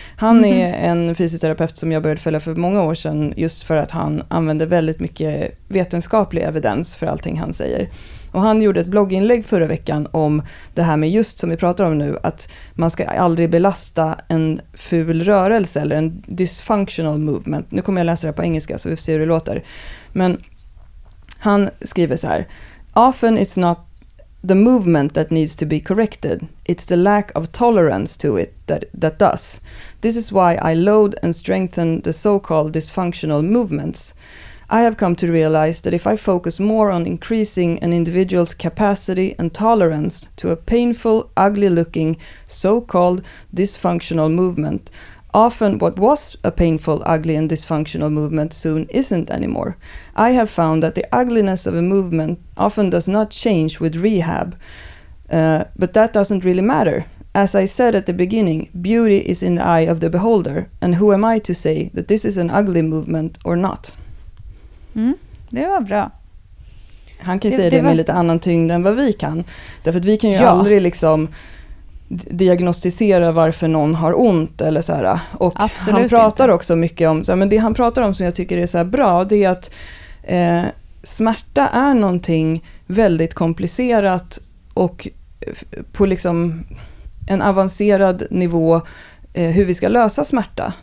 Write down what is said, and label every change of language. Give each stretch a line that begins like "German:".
Swedish: Han är en fysioterapeut som jag började följa för många år sedan, just för att han använder väldigt mycket vetenskaplig evidens för allting han säger. Och han gjorde ett blogginlägg förra veckan om det här med just som vi pratar om nu, att man ska aldrig belasta en ful rörelse eller en
English: dysfunctional movement.
Swedish: Nu kommer jag läsa det på engelska så vi får se hur det låter. Men han skriver så här:
English: often it's not the movement that needs to be corrected, it's the lack of tolerance to it that does. This is why I load and strengthen the so-called dysfunctional movements. I have come to realize that if I focus more on increasing an individual's capacity and tolerance to a painful, ugly-looking, so-called dysfunctional movement, often what was a painful, ugly, and dysfunctional movement soon isn't anymore. I have found that the ugliness of a movement often does not change with rehab, but that doesn't really matter. As I said at the beginning, beauty is in the eye of the beholder, and who am I to say that this is an ugly movement or not?
Swedish: Mm, det var bra. Han kan ju säga det med lite annan tyngd än vad vi kan. Därför att vi kan ju aldrig liksom diagnostisera varför någon har ont eller så här. Och absolut, han pratar inte också mycket om så här, men det han pratar om som jag tycker är så här bra, det är att smärta är någonting väldigt komplicerat och på liksom en avancerad nivå hur vi ska lösa smärta.